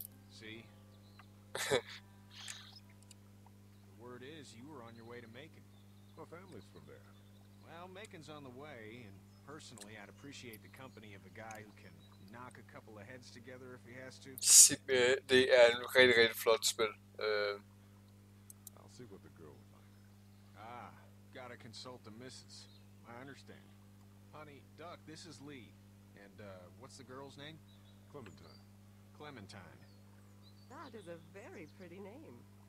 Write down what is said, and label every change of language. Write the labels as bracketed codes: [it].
[en] See? The word is you were on your way to Macon. My family's from there. Well, Macon's on the way, and personally I'd appreciate the company of a guy who can knock a couple of heads together if he has to. [da] Det er en rigtig, rigtig flot spil. [en] I'll see what the girl would like. Ah, gotta consult the missus. I understand. Honey, Duck, this is Lee. And, what's the girl's name? Clementine. Clementine. That is a very pretty name.